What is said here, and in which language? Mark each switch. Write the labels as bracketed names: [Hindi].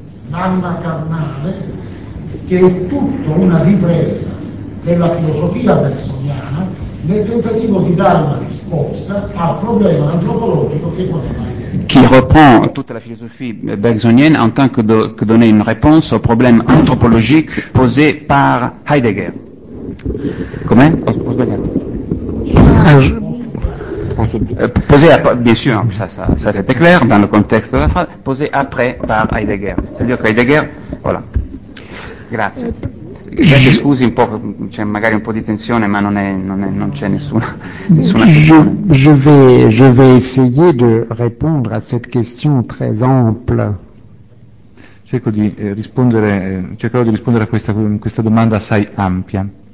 [Italian] L'anima carnale. Che è tutta una ripresa della filosofia bergsoniana nel tentativo di dare una risposta al problema antropologico che poteva avere. [French] Qui reprend toute la philosophie bergsonienne en tant que donner une réponse au problème anthropologique posé par Heidegger. Comment? Posé à, bien sûr, ça c'était clair dans le contexte de la phrase, posé après par Heidegger. C'est-à-dire que Heidegger, voilà. [Italian] Grazie. Grazie, scusi, un po', c'è magari un po' di tensione, ma non c'è nessuna tensione. [French] Je vais essayer de répondre à cette question très ample. [Italian] Cercherò di rispondere a questa domanda assai ampia.